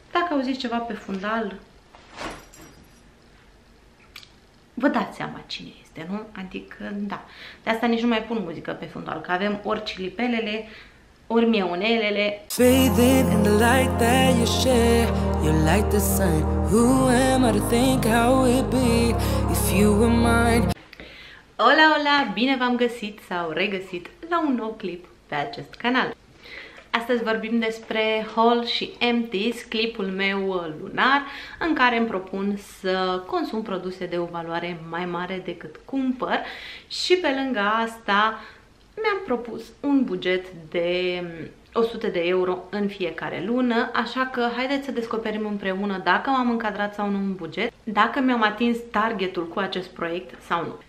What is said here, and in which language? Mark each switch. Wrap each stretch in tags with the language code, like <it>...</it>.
<ro>dacă au zis ceva pe fundal, vă dați seama cine este, nu? Adică, da. De asta nici nu mai pun muzică pe fundal, că avem ori Cilipelele, ori Mieunelele.</ro> <en>Bathing in the light that you share, you light the sun. Who am I to think how it be if you were mine?</en> <es>Hola, hola!</es> <ro>Bine v-am găsit sau regăsit la un nou clip pe acest canal. Astăzi vorbim despre Haul și Empties, clipul meu lunar, în care îmi propun să consum produse de o valoare mai mare decât cumpăr și pe lângă asta mi-am propus un buget de 100 de euro în fiecare lună, așa că haideți să descoperim împreună dacă m-am încadrat sau nu în buget, dacă mi-am atins targetul cu acest proiect sau nu.</ro>